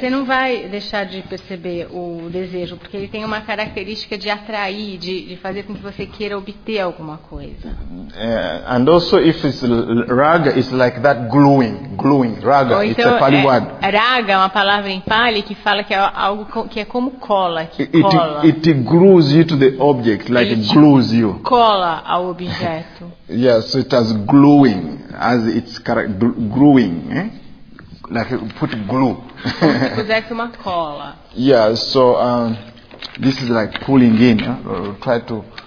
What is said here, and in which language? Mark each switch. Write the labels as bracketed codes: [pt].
[pt] Você não vai deixar de perceber o desejo, porque ele tem uma característica de atrair, de fazer com que você queira obter alguma coisa. [en] And also if it's raga, it's like that gluing, raga, [pt] então, [en] it's a Pali word. [pt] Raga é uma palavra em Pali que fala que é algo que é como cola, que [en] It glues you to the object, like it glues you. [pt] Cola ao objeto. [en] Yeah, so it has gluing, as its gluing, eh? Like put glue. [pt] Se pusesse uma cola. [en] Yeah, so this is like pulling in, try to.